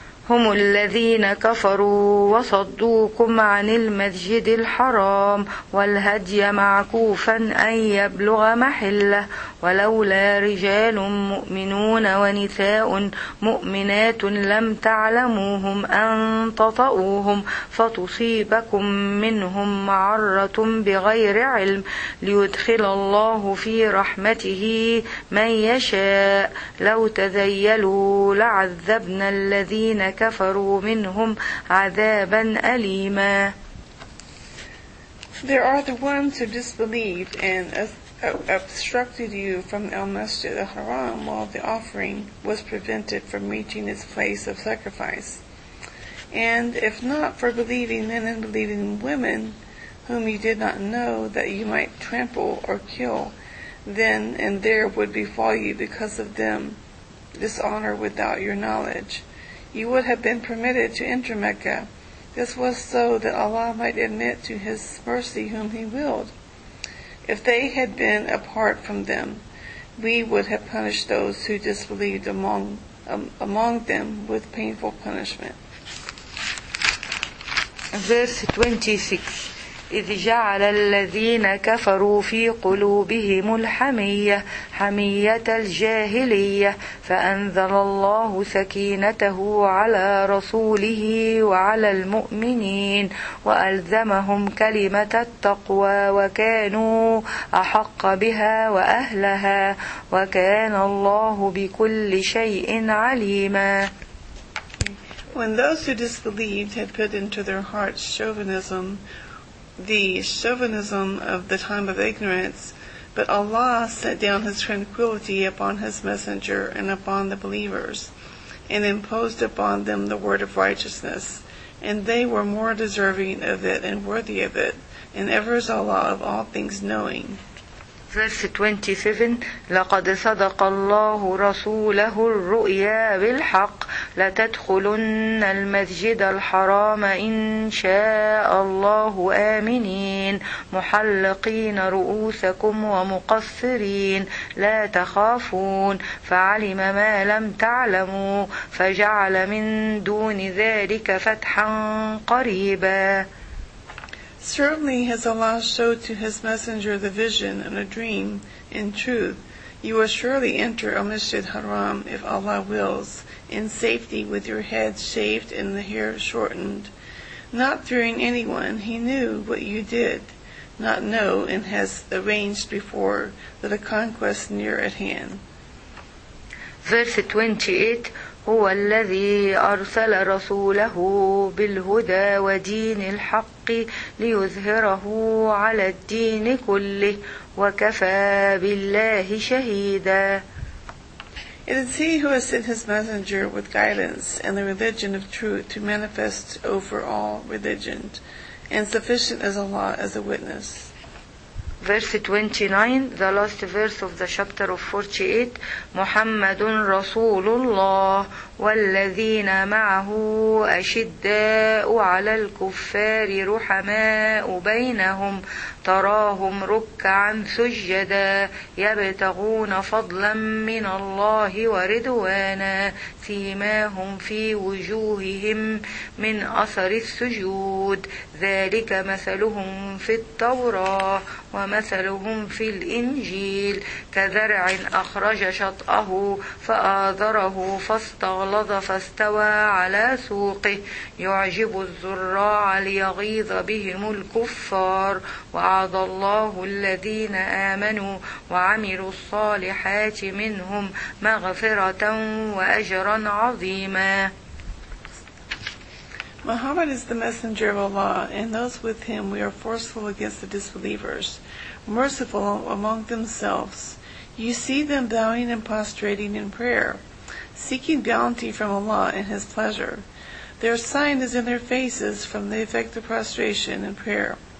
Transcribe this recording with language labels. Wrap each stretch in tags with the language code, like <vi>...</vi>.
<ar>هم الذين كفروا وصدوكم عن المسجد الحرام والهدي معكوفا أن يبلغ محله ولولا رجال مؤمنون ونساء مؤمنات لم تعلموهم أن تطؤوهم فتصيبكم منهم معرة بغير علم ليدخل الله في رحمته من يشاء لو تزيلوا لعذبنا الذين كفروا منهم عذابا أليما.</ar> <en>There are the ones who disbelieved and obstructed you from Al-Masjid al-Haram while the offering was prevented from reaching its place of sacrifice. And if not for believing men and believing women whom you did not know that you might trample or kill, then and there would befall you because of them dishonor without your knowledge. You would have been permitted to enter Mecca. This was so that Allah might admit to His mercy whom He willed. If they had been apart from them, we would have punished those who disbelieved among them with painful punishment. Verse 26.</en> <ar>إذ جعل الذين كفروا في قلوبهم الحمية حمية الجاهلية فأنزل الله سكينته على رسوله وعلى المؤمنين وألزمهم كلمة التقوى وكانوا أحق بها وأهلها وكان الله بكل شيء عليما.</ar> <en>When those who disbelieved had put into their hearts chauvinism, the chauvinism of the time of ignorance, but Allah set down His tranquility upon His Messenger and upon the believers, and imposed upon them the word of righteousness, and they were more deserving of it and worthy of it, and ever is Allah of all things knowing. Verse 27,</en> <ar>لقد صدق الله رسوله الرؤيا بالحق لتدخلن المسجد الحرام إن شاء الله آمنين محلقين رؤوسكم ومقصرين لا تخافون فعلم ما لم تعلموا فجعل من دون ذلك فتحا قريبا.</ar> <en>Certainly has Allah showed to His Messenger the vision and a dream in truth. You will surely enter Al-Masjid Haram if Allah wills, in safety with your head shaved and the hair shortened. Not fearing anyone, He knew what you did not know and has arranged before that a conquest near at hand. Verse 28,</en> <ar>هو الذي أرسل رسوله بالهدى ودين الحق ليظهره على الدين كله وكفى بالله شهيدا.</ar> <en>It is He who has sent His Messenger with guidance and the religion of truth to manifest over all religion, and sufficient is Allah as a witness. Verse 29, the last verse of the chapter of 48, Muhammadun Rasulullah,</en> <ar>والذين معه أشداء على الكفار رحماء بينهم تراهم ركعا سجدا يبتغون فضلا من الله ورضوانا سيماهم في وجوههم من أثر السجود ذلك مثلهم في التوراة وما مثلهم في الإنجيل كذرع أخرج شطأه فآذره فاستغلظ فاستوى على سوقه يعجب الزراع ليغيظ بهم الكفار وعد الله الذين آمنوا وعملوا الصالحات منهم مغفرة وأجرا عظيما.</ar> <en>Muhammad is the messenger of Allah, and those with him we are forceful against the disbelievers, merciful among themselves. You see them bowing and prostrating in prayer, seeking bounty from Allah and his pleasure. Their sign is in their faces from the effect of prostration and prayer.</en>